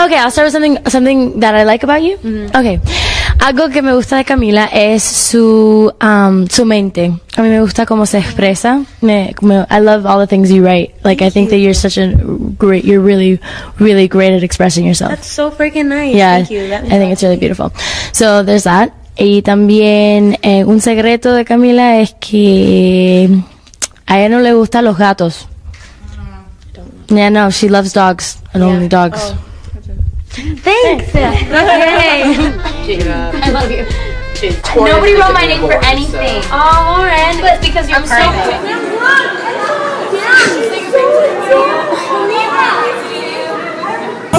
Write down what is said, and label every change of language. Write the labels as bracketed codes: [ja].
[en] Okay, I'll start with something that I like about you. Mm-hmm. Okay. [es] Algo que me gusta de Camila es su mente. A mí me gusta cómo se expresa. [en] I love all the things you write. I think that you're such a great, you're really, really great at expressing yourself. That's so freaking nice. Yeah, thank you. I think it's really beautiful. So there's that. [es] Y también un secreto de Camila es que a ella no le gustan los gatos. [en] Yeah, no, she loves dogs and only dogs. Oh. Thanks. Okay. Jacob. I love you. Nobody wrote my name for anything. Oh, Lauren. But because you're perfect.